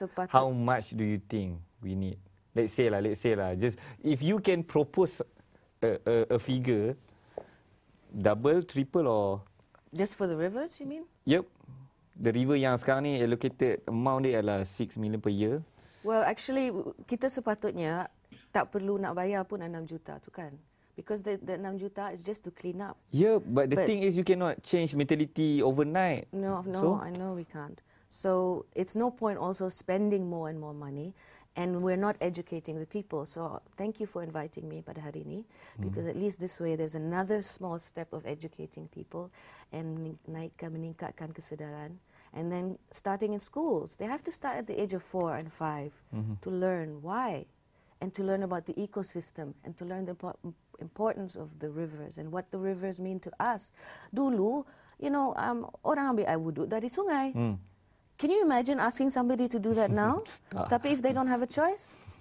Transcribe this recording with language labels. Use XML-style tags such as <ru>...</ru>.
<en>How much do you think we need? Let's say</en> <ms>lah.</ms> <en>Just if you can propose a figure, double, triple or... Just for the rivers, you mean? Yep. The river</en> <ms>yang sekarang ni</ms> <en>allocated amount</en> <ms>dia adalah</ms> <en>$6 million per year. Well, actually,</en> <ms>kita sepatutnya tak perlu nak bayar pun $6 juta tu kan?</ms> <en>Because the $6 juta is just to clean up. Yeah, but the thing is you cannot change mentality overnight. No, so? I know we can't. So it's no point also spending more and more money. And we're not educating the people. So thank you for inviting me</en> <ms>pada hari ini.</ms> <en>Because at least this way, there's another small step of educating people. And</en> <ms>meningkatkan kesedaran.</ms> <en>And then starting in schools, they have to start at the age of 4 and 5 to learn why, and to learn about the ecosystem, and to learn the importance of the rivers and what the rivers mean to us.</en> <ms>Dulu,</ms> <en>you know,</en> <ms>orang ambil air wuduk dari sungai.</ms> <en>Can you imagine asking somebody to do that now?</en> <ms>Tapi</ms> <en>if they don't have a choice,</en>